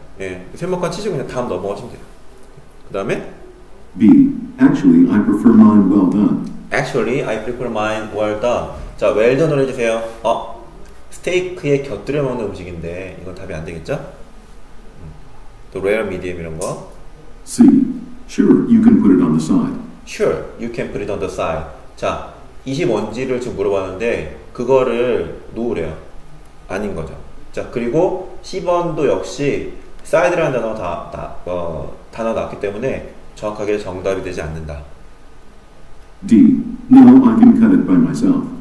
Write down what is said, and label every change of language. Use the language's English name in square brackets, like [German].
[Korean] 예, 세모칸 치시고 그냥 다음 넘어가시면 돼요. 그 다음에 [English] B. Actually, I prefer mine well done. Actually, I prefer mine well done. [Korean] 자, well done을 해주세요. 스테이크에 곁들여 먹는 음식인데 이건 답이 안 되겠죠? 또 rare medium 이런 거 [English] C. Sure, you can put it on the side. Sure, you can put it on the side. [Korean] 자, 이게 뭔지를 지금 물어봤는데 그거를 놓으래요. 아닌 거죠. 자, 그리고 10번도 역시 사이드라는 단어가 단어 나왔기 때문에 정확하게 정답이 되지 않는다. [English] D. No, I can cut it by myself.